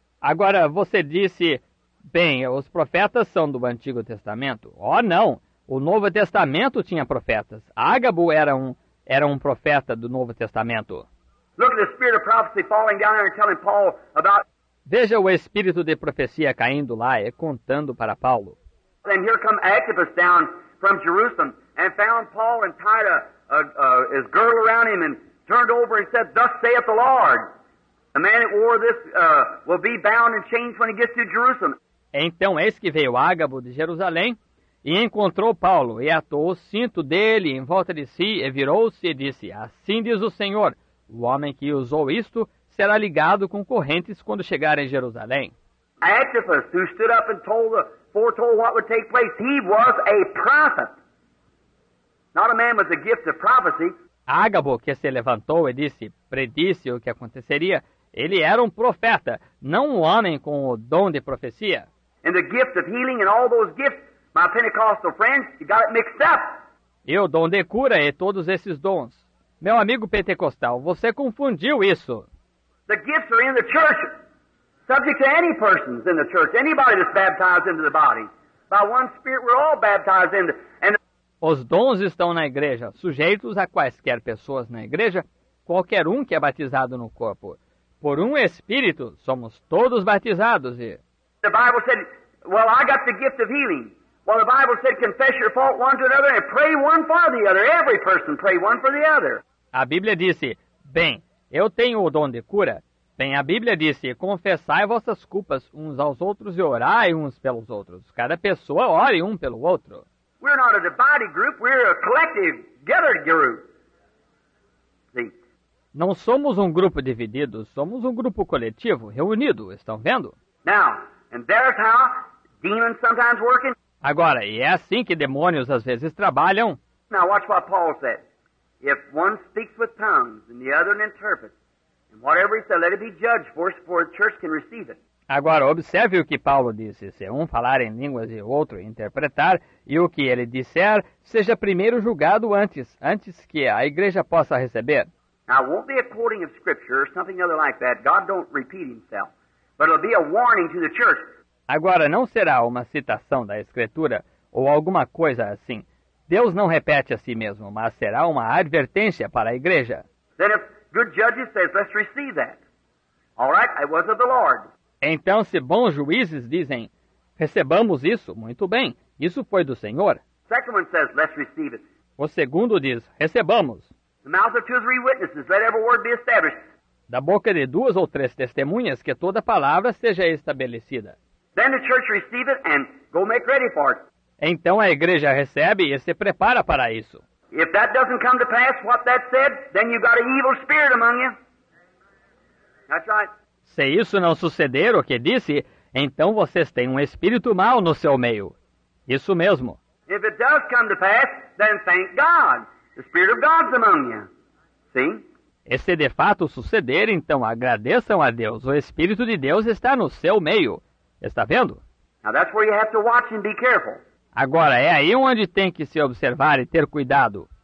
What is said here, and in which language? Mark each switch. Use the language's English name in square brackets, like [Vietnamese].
[Portuguese] Agora, você disse, bem, os profetas são do Antigo Testamento. Oh, não. O Novo Testamento tinha profetas. Ágabo era um profeta do Novo Testamento. [English] Look at the spirit of prophecy falling down there and telling Paul about... [Portuguese] Veja o espírito de profecia caindo lá e contando para Paulo. [English] And here come Agabus down from Jerusalem and found Paul and tied his girdle around him and turned over and said, "Thus saith the Lord, a man that wore this will be bound and chained when he gets to Jerusalem." [Portuguese] Então eis que veio Ágabo de Jerusalém e encontrou Paulo e atou o cinto dele em volta de si e virou-se e disse, "Assim diz o Senhor, o homem que usou isto será ligado com correntes quando chegar em Jerusalém." [English] Antipas, who stood up and foretold what would take place, he was a prophet. Not a man with the gift of prophecy. [Portuguese] Ágabo, que se levantou e disse, predisse o que aconteceria, ele era um profeta, não um homem com o dom de profecia. [English] And the gift of healing and all those gifts, my Pentecostal friends, you got it mixed up. [Portuguese] E o dom de cura e todos esses dons. Meu amigo pentecostal, você confundiu isso. [English] The gifts are in the church, subject to any persons in the church, anybody that's baptized into the body. By one spirit we're all baptized into. [Portuguese] Os dons estão na igreja, sujeitos a quaisquer pessoas na igreja, qualquer um que é batizado no corpo. Por um espírito, somos todos batizados. E... [English] The Bible said, well, I got the gift of healing. Well, the Bible said, confess your fault one to another and pray one for the other. Every person pray one for the other. [Portuguese] A Bíblia disse, Bem, eu tenho o dom de cura. Bem, a Bíblia disse, confessai vossas culpas uns aos outros e orai uns pelos outros. Cada pessoa ore um pelo outro. [English] We're not a divided group, we're a collective, gathered group. See? [Portuguese] Não somos um grupo dividido, somos um grupo coletivo, reunido, estão vendo? [English] Now, and there's how demons sometimes work in... [Portuguese] Agora, e é assim que demônios às vezes trabalham. [English] Now watch what Paul said. If one speaks with tongues and the other interprets, and whatever he said, let it be judged for us, for the church can receive it. [Portuguese] Agora, observe o que Paulo disse. Se um falar em línguas e o outro interpretar, e o que ele disser, seja primeiro julgado antes que a igreja possa receber. [English] Now, it won't be a quoting of scripture or something other like that. God don't repeat himself. But it'll be a warning to the church. [Portuguese] Agora, não será uma citação da Escritura ou alguma coisa assim. Deus não repete a si mesmo, mas será uma advertência para a igreja. [English] Then if good judges says, let's receive that. All right, it was of the Lord. [Portuguese] Então, se bons juízes dizem, recebamos isso, muito bem, isso foi do Senhor. [English] Second one says, let's receive it. [Portuguese] O segundo diz, recebamos. [English] The mouth of two or three witnesses, let every word be established. [Portuguese] Da boca de duas ou três testemunhas, que toda palavra seja estabelecida. [English] Then the church receive it and go make ready for it. [Portuguese] Então a igreja recebe e se prepara para isso. [English] If that doesn't come to pass, what that said, then you've got an evil spirit among you. That's right. [Portuguese] Se isso não suceder, o que disse, então vocês têm um espírito mau no seu meio. Isso mesmo. [English] If it does come to pass, then thank God. The spirit of God's among you. See? [Portuguese] E se de fato suceder, então agradeçam a Deus. O Espírito de Deus está no seu meio. Está vendo? [English] Now that's where you have to watch and be careful. [Portuguese] Agora, é aí onde tem que se observar e ter cuidado.